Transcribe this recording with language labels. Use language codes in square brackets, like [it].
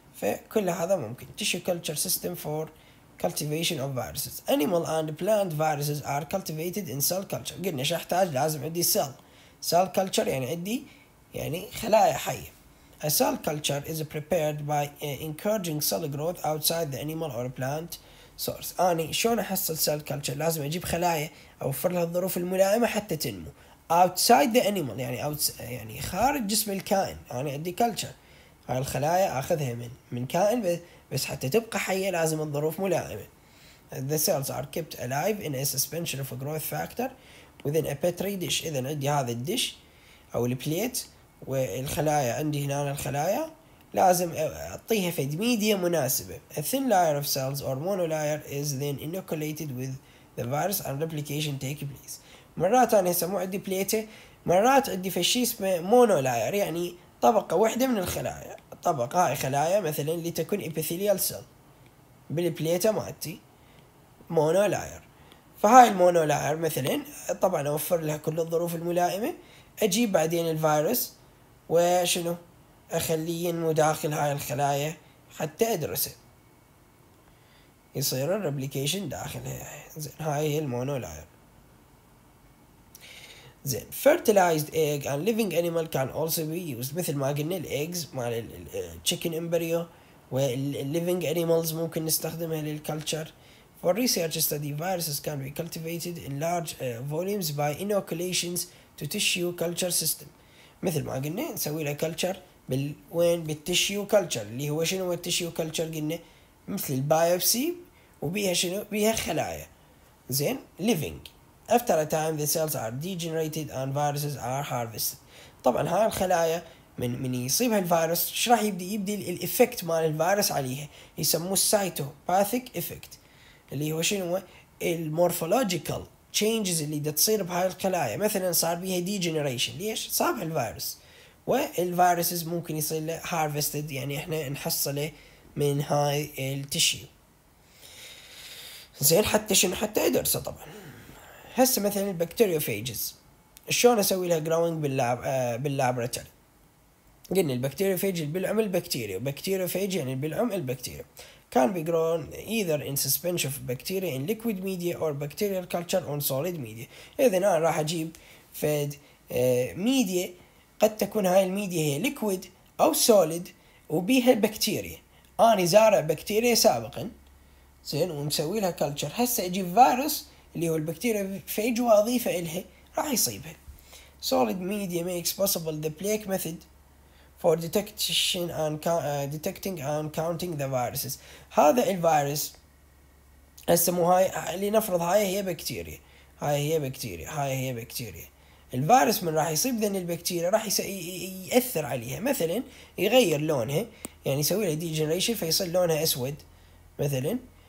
[ar] فكل هذا ممكن [en] Tissue culture system for cultivation of viruses. Animal and plant viruses are cultivated in cell culture. [ar] قلنا شو احتاج؟ لازم عندي cell culture، يعني عندي يعني خلايا حية. [en] A cell culture is prepared by encouraging cell growth outside the animal or plant source. [ar] أنا شلون أحصل cell culture؟ لازم أجيب خلايا أوفر لها الظروف الملائمة حتى تنمو. [en] Outside the animal [ar] يعني يعني خارج جسم الكائن، أنا عندي culture، هاي الخلايا أخذها من كائن بس حتى تبقى حية لازم الظروف ملائمة. [en] The cells are kept alive in a suspension of a growth factor within a petri dish. [ar] إذا عندي هذا الدش أو البليت والخلايا عندي هنا، الخلايا لازم أعطيها في ميديا مناسبة. [en] A thin layer of cells or monolayer is then inoculated with the virus and replication take place. [ar] مرات أنا هسه مو عندي بليتة، مرات عندي في شيء اسمه مونولاير، يعني طبقة واحدة من الخلايا، طبقة هاي خلايا مثلا لتكون epithelial cell بالبليتا مالتي مونولاير. فهاي المونولاير مثلا طبعا اوفر لها كل الظروف الملائمة، اجيب بعدين الفيروس وشنو اخليه ينمو داخل هاي الخلايا حتى ادرسه، يصير الريبليكيشن داخلها. زين هاي هي المونولاير. [en] زين fertilized egg and living animal can also be used. [ar] مثل ما قلنا الايجز مال chicken embryo والliving animals ممكن نستخدمها للكلتشر. [en] For research study viruses can be cultivated in large volumes by inoculations to tissue culture system. [ar] مثل ما قلنا نسوي له كلتشر وين؟ بالتشيو كلتشر، اللي هو شنو التشيو كلتشر؟ قلنا مثل البايوبسي وبيها شنو؟ بيها خلايا. [en] زين living after a time the cells are degenerated and viruses are harvested. [ar] طبعا هاي الخلايا من يصيبها الفيروس ايش راح يبدي الايفكت مال الفيروس عليها، يسموه السايتوباثيك ايفكت، اللي هو شنو؟ المورفولوجيكال تشينجز اللي تصير بهاي الخلايا. مثلا صار بيها degeneration، ليش؟ صابها الفيروس، والفيروس ممكن يصير له harvested، يعني احنا نحصله من هاي التشيو. زين حتى شنو؟ حتى ادرسه. طبعا هسه مثلا البكتيريوفاجز شلون اسوي لها جروينج باللابراتوري؟ قلنا البكتيريوفاج بالعم البكتيريا، بكتيريوفاج يعني بالعم البكتيريا. [en] Can be grown either in suspension of bacteria in liquid media or bacterial culture on solid media. [ar] اذا انا راح اجيب فد ميديا، قد تكون هاي الميديا هي ليكويد او سوليد وبيها بكتيريا، انا زارع بكتيريا سابقا، زين ومسوي لها كلتشر، هسه يجي فيروس اللي هو البكتيريا فيج واضيفه إلها راح يصيبها. [en] Solid media makes possible the plague method for detection and detecting and counting the viruses. [ar] هذا الفيروس هسه مو هاي، لنفرض هاي هي بكتيريا، هاي هي بكتيريا، هاي هي بكتيريا. الفيروس من راح يصيب ذن البكتيريا راح يأثر عليها، مثلا يغير لونها، يعني يسوي لها ديجنريشن فيصير لونها اسود مثلا.